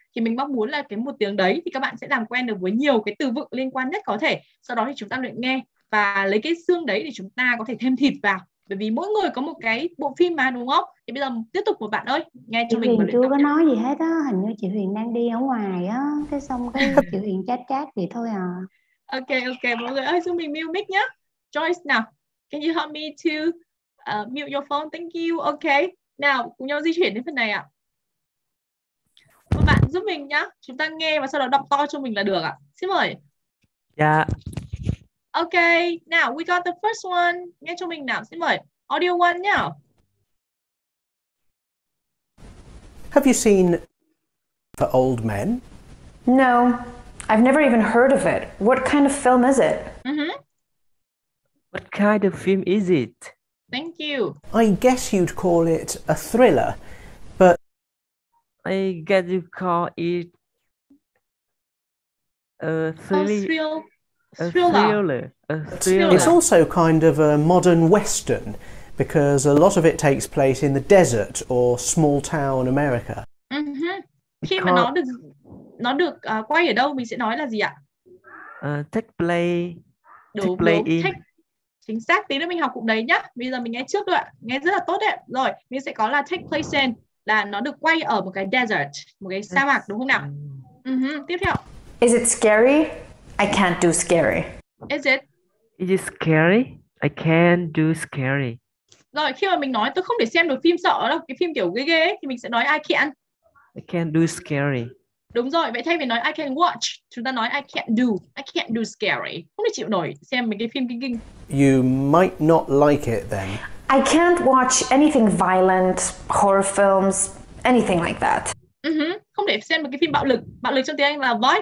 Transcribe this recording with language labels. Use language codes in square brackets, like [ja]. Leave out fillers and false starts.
[vi] Thì mình mong muốn là cái một tiếng đấy thì các bạn sẽ làm quen được với nhiều cái từ vựng liên quan nhất có thể. Sau đó thì chúng ta luyện nghe và lấy cái xương đấy để chúng ta có thể thêm thịt vào. Bởi vì mỗi người có một cái bộ phim mà đúng không? Thì bây giờ tiếp tục một bạn ơi, nghe chị cho mình Huyền chưa có nói gì hết á, hình như chị Huyền đang đi ở ngoài á, cái xong cái chị Huyền chat chat vậy thôi à. Ok ok mọi người ơi, xong mình mute mic nhá. [en] Joyce nào, can you help me to mute your phone? Thank you. [vi] Ok, nào cùng nhau di chuyển đến phần này ạ. Một bạn giúp mình nhá, chúng ta nghe và sau đó đọc to cho mình là được ạ. Xin mời. Dạ. [en] Ok, now we got the first one. [vi] Nghe cho mình nào, xin mời. [en] Audio one nhá. Have you seen The Old Men? No, I've never even heard of it. What kind of film is it? Mm-hmm. What kind of film is it? Thank you. I guess you'd call it a thriller, but... I guess you'd call it a thriller. A thriller. It's also kind of a modern western, because a lot of it takes place in the desert or small town America. [vi] Mm-hmm. Khi mà nó được quay ở đâu, mình sẽ nói là gì ạ? [en] Take place in. [vi] Chính xác, tí nữa mình học cụm đấy nhá. Bây giờ mình nghe trước thôi ạ, nghe rất là tốt đấy. Rồi, mình sẽ có là [en] take place in, [vi] là nó được quay ở một cái desert, một cái sa mạc, đúng không nào? Mm-hmm. Tiếp theo. [en] Is it scary? I can't do scary. Is it scary? I can't do scary. [vi] Rồi, khi mà mình nói tôi không thể xem được phim sợ đâu, cái phim kiểu ghê ghê ấy, thì mình sẽ nói [en] I can't do scary. [vi] Đúng rồi, vậy thay vì nói [en] I can watch, [vi] chúng ta nói [en] I can't do scary. [vi] Không thể chịu nổi xem mấy cái phim kinh kinh. [en] You might not like it then. I can't watch anything violent, horror films, anything like that. Uh-huh. [vi] Không thể xem một cái phim bạo lực trong tiếng Anh là